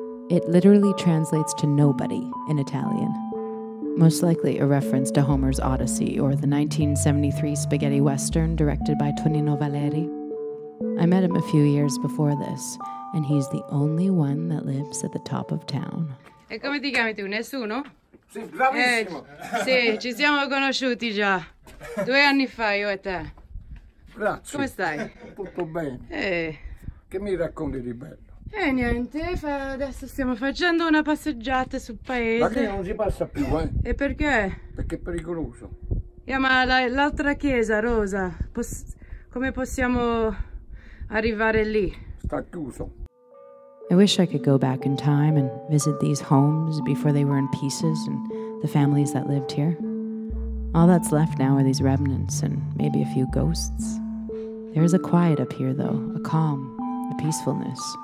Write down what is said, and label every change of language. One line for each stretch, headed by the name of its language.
English: It literally translates to nobody in Italian. Most likely a reference to Homer's Odyssey or the 1973 spaghetti western directed by Tonino Valeri. I met him a few years before this, and he's the only one that lives at the top of town.
Italian: E come ti chiami tu? Nessuno? Sì, bravissimo! Sì, ci siamo conosciuti già. 2 anni fa io e te. Grazie. Come stai? Tutto bene. Che mi racconti di bello? Niente, adesso stiamo facendo una passeggiata sul paese. Ma che non si passa più, E perché? Perché è pericoloso. Ma l'altra chiesa, Rosa, come possiamo arrivare lì?
English: I wish I could go back in time and visit these homes before they were in pieces and the families that lived here. All that's left now are these remnants and maybe a few ghosts. There is a quiet up here, though, a calm, a peacefulness.